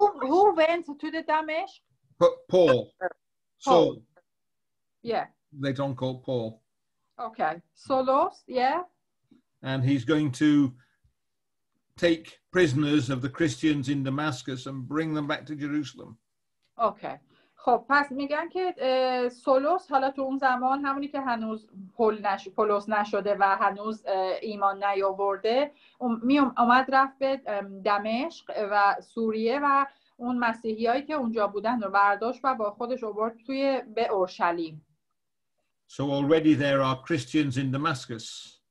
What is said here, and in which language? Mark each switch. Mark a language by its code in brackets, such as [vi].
[en] who went to the Damascus? Paul. Saul. Yeah. They don't call Paul. Okay. Saulos, yeah. And he's going to take prisoners of the Christians in Damascus and bring them back to Jerusalem. Okay. [fa] خب پس میگن که سولوس حالا تو اون زمان همونی که هنوز پولوس نشده و هنوز ایمان نیاورده اومد رفت به دمشق و سوریه و اون مسیحیایی که اونجا بودن رو برداشت و با خودش آورد توی به اورشلیم. [en] So already there are Christians in Damascus.